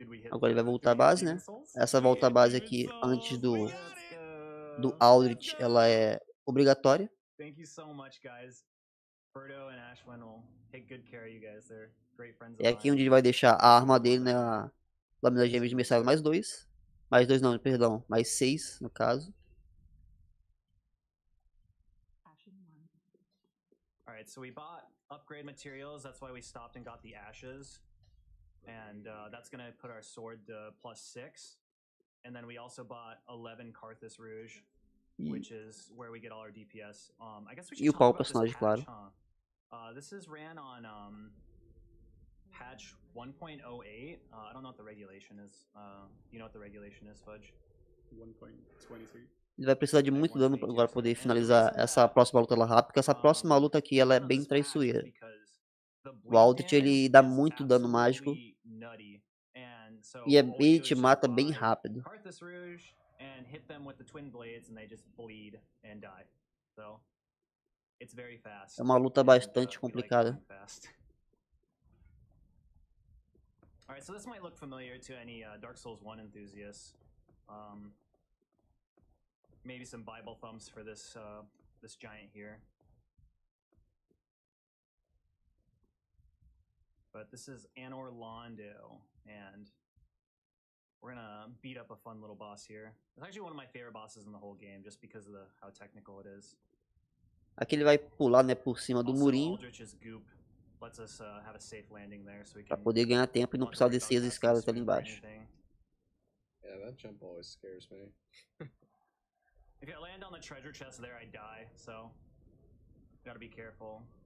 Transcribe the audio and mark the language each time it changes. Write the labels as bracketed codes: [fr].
[pt] Agora ele vai voltar à base, né? Essa volta à base aqui, antes do Aldrich, ela é obrigatória. [en] Thank you so much, guys. Birdo and Ashwin will take good care of you guys. They're great friends. [pt] É aqui onde ele vai deixar a arma dele, né? Lâmina gêmea de mensagem mais 6 no caso. [en] All right, so we bought upgrade materials. That's why we stopped and got the ashes, and that's gonna put our sword to +6. And then we also bought 11 Karthus Rouge. Which is where we get all our DPS. I guess we should talk about this patch, [pt] claro. [en] This is ran on patch 1.08. I don't know what the regulation is. You know what the regulation is, Fudge? 1.23. [pt] Ele vai precisar de muito dano para agora poder finalizar essa próxima luta lá rápido, porque essa próxima luta aqui ela é bem traiçoeira. O Aldrich ele dá muito dano mágico e ele te mata bem rápido. [en] And hit them with the twin blades and they just bleed and die. So it's very fast. [pt] É uma luta bastante complicada. [en] All right, so this might look familiar to any Dark Souls 1 enthusiasts. Maybe some Bible thumps for this this giant here. But this is Anor Londo and we're gonna beat up a fun little boss here. It's actually one of my favorite bosses in the whole game, just because of the how technical it is. [pt] Aqui ele vai pular, né, por cima do [en] also, [pt] murinho. [en] Aldrich's goop lets us have a safe landing there, so we can. [pt] Pra poder ganhar tempo e não precisar descer as escadas até ali embaixo. [en] Yeah, that jump always scares me. If I land on the treasure chest there, I die. So gotta be careful.